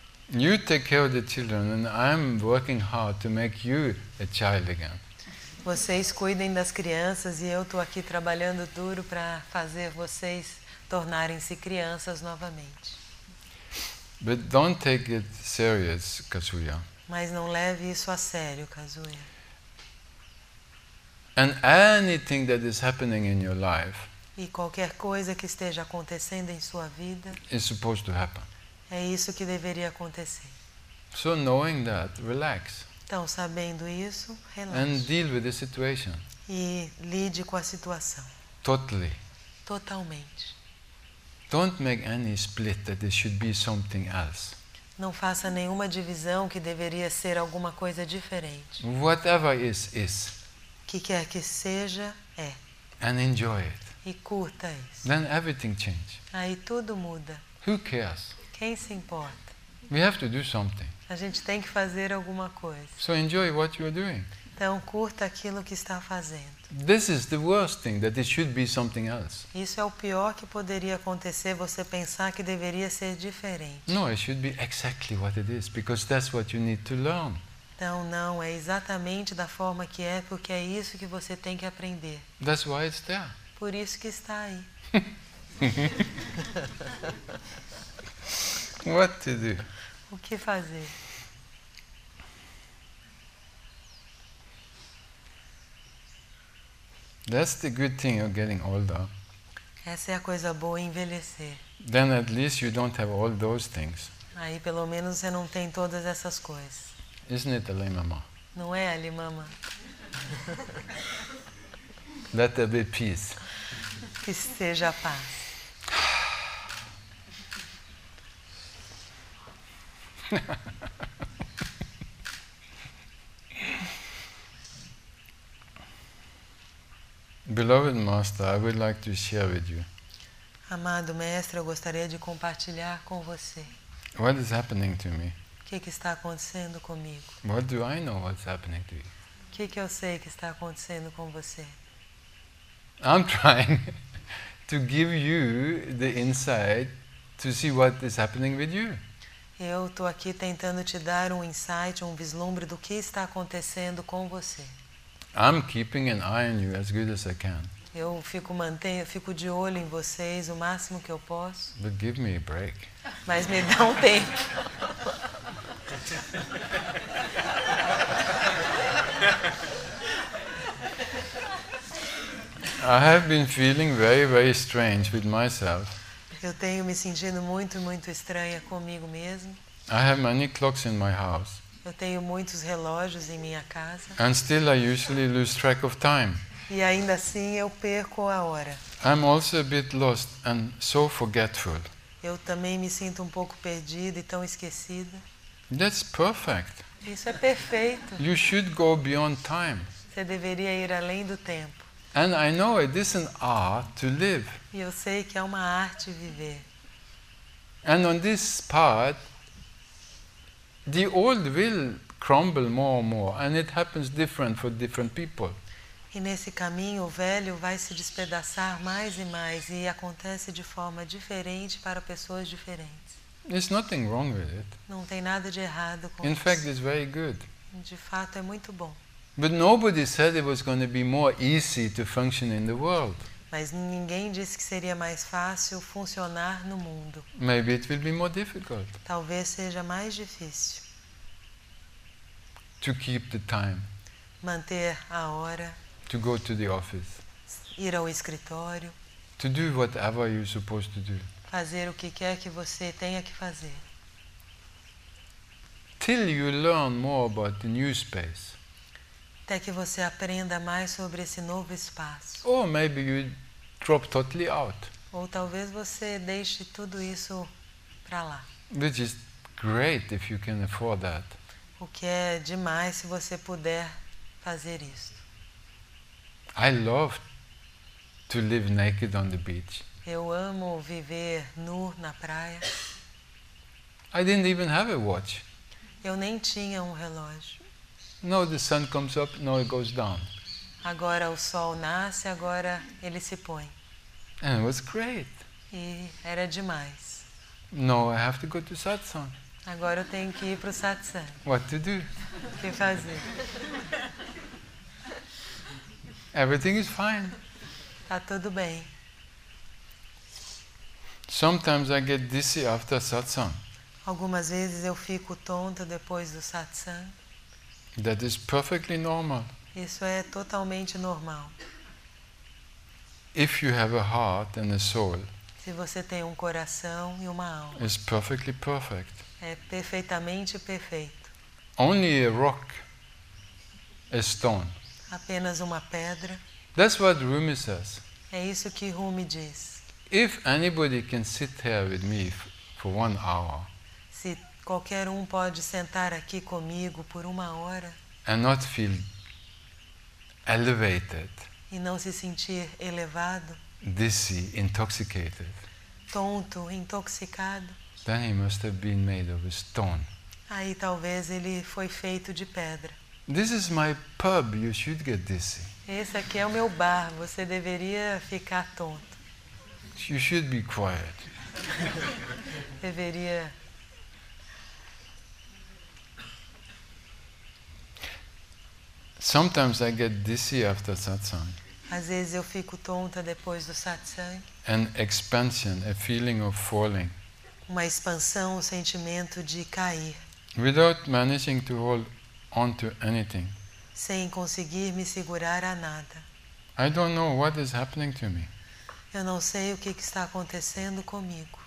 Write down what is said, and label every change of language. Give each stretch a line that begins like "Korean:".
English: You take care of the children and I'm working hard to make you a child again.
Portuguese: Vocês cuidem das crianças e eu estou aqui trabalhando duro para fazer vocês tornarem-se crianças novamente.
English: But don't take it serious, Kazuya.
Portuguese: Mas não leve isso a sério, Kazuya.
English: And anything that is happening in your life.
Portuguese: E qualquer coisa que esteja acontecendo em sua vida.
English: Is supposed to happen.
Portuguese: É isso que deveria acontecer.
English: So knowing that, relax.
Portuguese: Então, sabendo isso, relaxe.
English: And deal with the situation.
Portuguese: E lide com a situação.
English: Totally.
Portuguese: Totalmente.
English: Don't make any split that there should be something else.
Portuguese: Não faça nenhuma divisão que deveria ser alguma coisa diferente.
English: Whatever is, is.
Portuguese: Que quer que seja, é.
English: And enjoy it.
Portuguese: E curta isso.
English: Then everything changes.
Portuguese: Aí tudo muda.
English: Who cares?
Portuguese: Quem se importa?
English: We have to do something.
Portuguese: A gente tem que fazer alguma coisa.
English: So enjoy what you are doing.
Portuguese: Então curta aquilo que está fazendo.
English: This is the worst thing, that it should be something else.
Portuguese: Isso é o pior que poderia acontecer, você pensar que deveria ser diferente.
English: No, it should be exactly what it is, because that's what you need to learn.
Portuguese: Então não, é exatamente da forma que é, porque é isso que você tem que aprender.
English: That's why it's there.
Portuguese: Por isso que está aí.
English: What to do?
Portuguese: O que fazer?
English: That's the good thing of getting older.
Portuguese: Essa é a coisa boa, envelhecer.
English: Then at least you don't have all those things.
Portuguese: Aí pelo menos você não tem todas essas coisas.
English: Isn't it, Ali Mama?
Portuguese: Não é, Ali Mama?
English: Let there be peace.
Portuguese: Que seja a paz.
English: Beloved Master, I would like to share with you.
Portuguese: Amado mestre, eu gostaria de compartilhar com você.
English: What is happening to me?
Portuguese: O que que está acontecendo comigo?
English: What do I know what's happening to you?
Portuguese: O que que eu sei que está acontecendo com você?
English: I'm trying to give you the insight to see what is happening with you.
Portuguese: Eu estou aqui tentando te dar um insight, um vislumbre do que está acontecendo com você.
English: I'm keeping an eye on you as good as I can.
Portuguese: Eu fico de olho em vocês o máximo que eu posso.
English: But give me a break.
Portuguese: Mas me dá um tempo.
English: I have been feeling very, very strange with myself.
Portuguese: Eu tenho me sentindo muito, muito estranha comigo mesmo.
English: I have many clocks in my house.
Portuguese: Eu tenho muitos relógios em minha casa.
English: And still I usually lose track of time.
Portuguese: E ainda assim eu perco a hora.
English: I'm also a bit lost and so forgetful.
Portuguese: Eu também me sinto um pouco perdida e tão esquecida.
English: That's perfect.
Portuguese: Isso é perfeito.
English: You should go beyond time.
Portuguese: Você deveria ir além do tempo.
English: And I know it is an art to live.
Portuguese: E eu sei que é uma arte viver.
English: And on this part, the old will crumble more and more, and it happens different for different people.
Portuguese: E nesse caminho o velho vai se despedaçar mais e mais e acontece de forma diferente para pessoas diferentes.
English: There's nothing wrong with it.
Portuguese: Não tem nada de errado com isso.
English: In fact, it's very good.
Portuguese: De fato, é muito bom.
English: But nobody said it was going to be more easy to function in the world.
Portuguese: Mas ninguém disse que seria mais fácil funcionar no mundo.
English: Maybe it will be more difficult.
Portuguese: Talvez seja mais difícil.
English: To keep the time.
Portuguese: Manter a hora.
English: To go to the office.
Portuguese: Ir ao escritório.
English: To do whatever you're supposed to do.
Portuguese: Fazer o que quer que você tenha que fazer.
English: Till you learn more about the new space.
Portuguese: Até que você aprenda mais sobre esse novo espaço.
English: Or maybe you drop totally out.
Portuguese: Ou talvez você deixe tudo isso para lá.
English: Which is great if you can afford that.
Portuguese: O que é demais se você puder fazer isso.
English: I love to live naked on the beach.
Portuguese: Eu amo viver nu na praia.
English: I didn't even have a watch.
Portuguese: Eu nem tinha um relógio.
English: No, the sun comes up, no, it goes down.
Portuguese: Agora o sol nasce, agora ele se põe.
English: And it was great.
Portuguese: E era demais.
English: No, I have to go to satsang.
Portuguese: Agora eu tenho que ir para o satsang.
English: What to do?
Portuguese: O que fazer?
English: Everything is fine.
Portuguese: Tá tudo bem.
English: Sometimes I get dizzy after satsang.
Portuguese: Algumas vezes eu fico tonta depois do satsang.
English: That is perfectly normal.
Portuguese: Isso é totalmente normal.
English: If you have a heart and a soul,
Portuguese: se você tem um coração e uma alma,
English: it's perfectly perfect.
Portuguese: É perfeitamente perfeito.
English: Only a rock, a stone.
Portuguese: Apenas uma pedra.
English: That's what Rumi says.
Portuguese: É isso que Rumi diz.
English: If anybody can sit here with me for 1 hour.
Portuguese: Se qualquer um pode sentar aqui comigo por uma hora.
English: And not feel elevated.
Portuguese: E não se sentir elevado.
English: Dizzy, intoxicated.
Portuguese: Tonto, intoxicado.
English: Then he must have been made of stone.
Portuguese: Aí talvez ele foi feito de pedra.
English: This is my pub, you should get dizzy.
Portuguese: Esse aqui é o meu bar, você deveria ficar tonto.
English: You should be quiet.
Portuguese: Deveria.
English: Sometimes I get dizzy after satsang.
Portuguese: Às vezes eu fico tonta depois do satsang.
English: An expansion, a feeling of falling.
Portuguese: Uma expansão, um sentimento de cair.
English: Without managing to hold on to anything.
Portuguese: Sem conseguir me segurar a nada.
English: I don't know what is happening to me.
Portuguese: Eu não sei o que está acontecendo comigo.